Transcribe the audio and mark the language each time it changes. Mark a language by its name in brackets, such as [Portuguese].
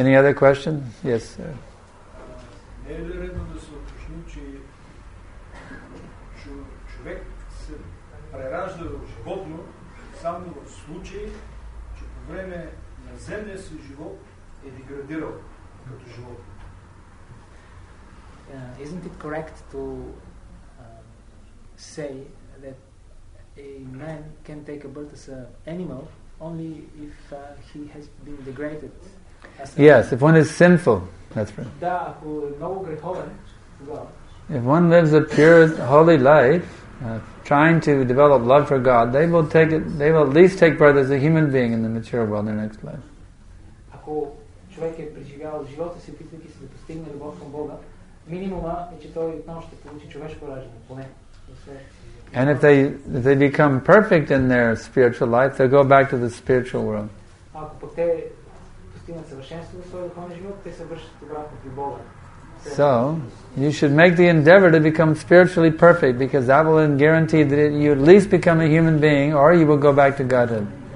[English] Any other question? Yes, sir. [Bulgarian] Не е ли редно да се уточни, че човек се преражда в животно само в случай, време на земния си живот е деградирал като живот. [English] Isn't it correct to say that a man can take a birth as an animal only if he has been degraded? Yes, if one is sinful, that's right. [Bulgarian] Да, ако е много греховен, тогава. [English] If one lives a pure, holy life, trying to develop love for God, they will take it, they will at least take birth as a human being in the material world in their next life. [Bulgarian] Ако човек е преживял живота си, опитвайки се да постигне любов към Бога, минимума е, че той отново ще получи човешко раждане, поне. [English] And if they become perfect in their spiritual life, they'll go back to the spiritual world. [Bulgarian] Ако пък те постигнат съвършенство в своя духовен живот, те се връщат обратно при Бога. [English] So, you should make the endeavor to become spiritually perfect, because that will then guarantee that you at least become a human being, or you will go back to Godhead.